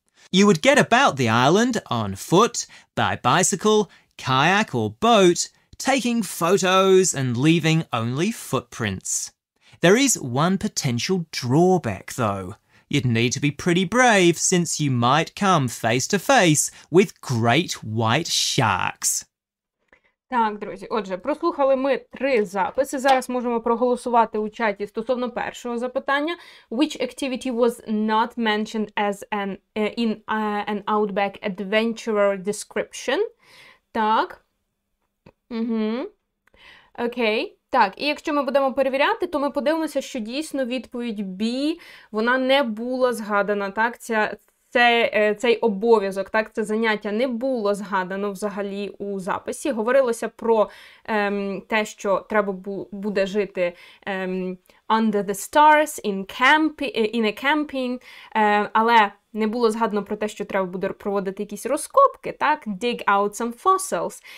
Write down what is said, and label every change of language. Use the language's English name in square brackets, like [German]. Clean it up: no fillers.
[English] You would get about the island on foot, by bicycle, kayak or boat, taking photos and leaving only footprints. There is one potential drawback, though. You'd need to be pretty brave since you might come face to face with great white sharks. [Ukrainian] Так, друзі, отже, прослухали ми три записи. Зараз можемо проголосувати у чаті стосовно першого запитання. [English] Which activity was not mentioned as an Outback Adventurer description? [Ukrainian] Так. Угу. Окей. Так, і якщо ми будемо перевіряти, то ми подивимося, що дійсно відповідь B, вона не була згадана, так? Цей обов'язок, так, це заняття не було згадано взагалі у записі. Говорилося про те, що треба буде жити [English] under the stars, in a camping, [Ukrainian] але не було згадано про те, що треба буде проводити якісь розкопки, так, [English] dig out some fossils.